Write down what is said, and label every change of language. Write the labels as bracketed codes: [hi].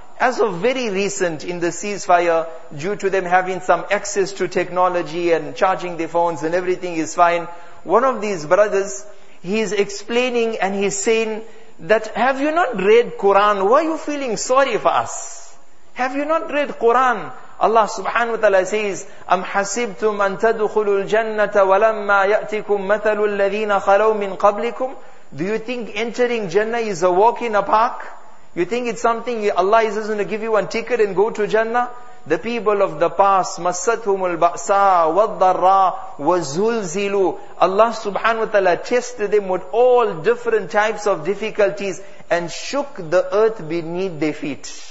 [en] As of very recent in the ceasefire, due to them having some access to technology and charging their phones and everything is fine, one of these brothers, he's explaining and he's saying that, have you not read Quran? Why are you feeling sorry for us? Have you not read Quran? [ar] Allah subhanahu wa ta'ala says, أَمْ حَسِبْتُمْ أَن تَدُخُلُوا الْجَنَّةَ وَلَمَّا يَأْتِكُمْ مَثَلُ الَّذِينَ خَلَوْا مِنْ قَبْلِكُمْ. [en] Do you think entering Jannah is a walk in a park? You think it's something Allah is going to give you one ticket and go to Jannah? The people of the past, [ar] مَسَّتْهُمُ الْبَأْسَىٰ وَالضَّرَّىٰ وَزُلْزِلُوا. [en] Allah subhanahu wa ta'ala tested them with all different types of difficulties and shook the earth beneath their feet.